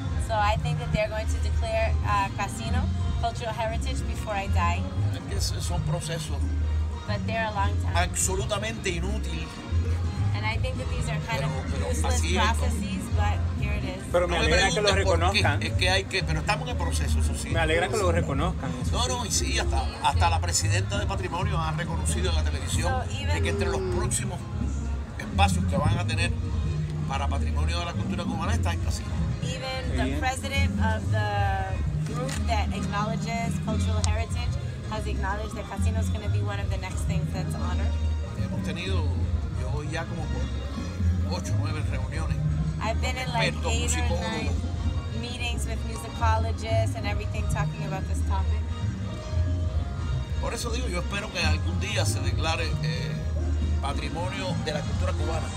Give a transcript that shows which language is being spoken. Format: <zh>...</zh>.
<en>So I think that they're going to declare a casino cultural heritage before I die.</en> <es>Es que son procesos.</es> <en>But they're a long time.</en> <es>Absolutamente inútil.</es> <en>And I think that these are kind of useless processes, but here it is.</en> <es>Pero me alegra que lo reconozcan. Es que hay que, pero estamos en el proceso, eso sí. Me alegra que lo reconozcan. No, no, y sí, hasta la presidenta de patrimonio ha reconocido en la televisión de que entre los próximos espacios que van a tener para patrimonio de la cultura cubana está en casino.</es> <en>Even the president of the group that acknowledges cultural heritage has acknowledged that casino is going to be one of the next things that's honored.</en> <es>Hemos tenido ya como 8 o 9 reuniones.</es> <en>I've been in like 8 or 9 meetings with musicologists and everything talking about this topic.</en> <es>Por eso digo, yo espero que algún día se declare patrimonio de la cultura cubana.</es>